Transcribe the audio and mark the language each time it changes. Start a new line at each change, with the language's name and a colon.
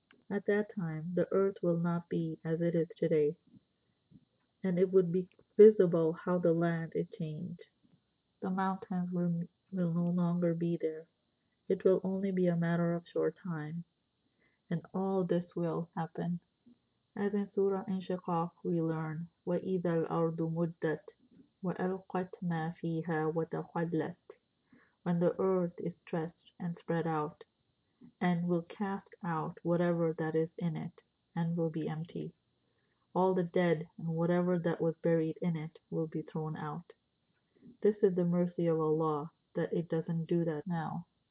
English: At that time, the earth will not be as it is today, and it would be visible how the land is changed. The mountains will no longer be there. It will only be a matter of short time, and all this will happen. As in Surah Inshiqaq, we learn,
Arabic: وَإِذَا الْأَرْضُ مُدَّتْ وَأَلْقَتْ مَا فِيهَا وَتَخَلَّتْ.
English: When the earth is stretched and spread out, and will cast out whatever that is in it, and will be empty. All the dead and whatever that was buried in it will be thrown out. This is the mercy of Allah, that it doesn't do that now.